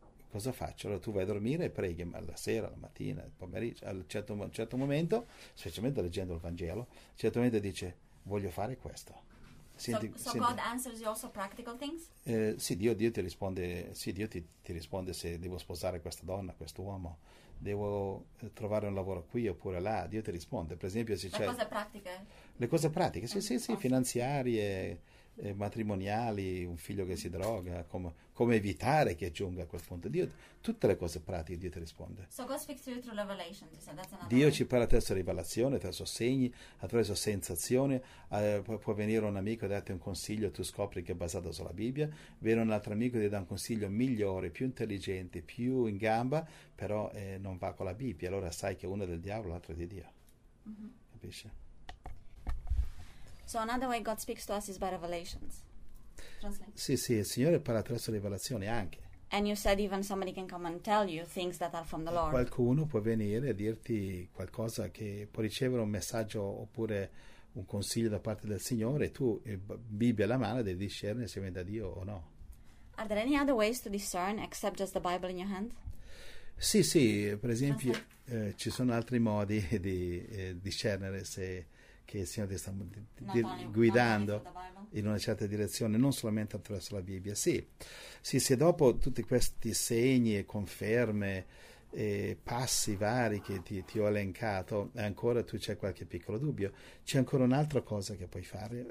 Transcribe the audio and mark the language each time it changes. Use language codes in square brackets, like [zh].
[it] Cosa faccio? Allora tu vai a dormire e preghi, ma la sera, la mattina, il pomeriggio, a un certo momento, specialmente leggendo il Vangelo, a un certo momento dice, voglio fare questo. Senti, so senti. [en] God answers you also practical things? [it] Sì, Dio ti risponde, sì, Dio ti risponde se devo sposare questa donna, quest'uomo, devo trovare un lavoro qui oppure là. Dio ti risponde, per esempio, se c'è... Le cose pratiche? Le cose pratiche, sì, sì, finanziarie, matrimoniali, un figlio che si droga, come evitare che giunga a quel punto. Dio, tutte le cose pratiche Dio ti risponde. [en] So God speaks to you through revelation, you said. That's [it] Dio [en] way. [it] Ci parla attraverso rivelazione, attraverso segni, attraverso sensazioni. Può venire un amico e darti un consiglio, tu scopri che è basato sulla Bibbia. Viene un altro amico e ti dà un consiglio migliore, più intelligente, più in gamba, però non va con la Bibbia. Allora sai che uno è del diavolo, l'altro è di Dio. Mm-hmm. Capisci? [en] So another way God speaks to us is by revelations. Translate. [it] Sì, sì, il Signore parla attraverso rivelazioni anche. [en] And you said even somebody can come and tell you things that are from the Lord. [it] Qualcuno può venire a dirti qualcosa, che può ricevere un messaggio oppure un consiglio da parte del Signore, e tu, Bibbia alla mano, devi discernere se viene da Dio o no. [en] Are there any other ways to discern except just the Bible in your hand? [it] Sì, sì, per esempio, ci sono altri modi di discernere se che il Signore ti sta guidando in una certa direzione, non solamente attraverso la Bibbia. Sì, sì, se dopo tutti questi segni e conferme e passi vari che ti ho elencato, ancora tu c'è qualche piccolo dubbio, c'è ancora un'altra cosa che puoi fare.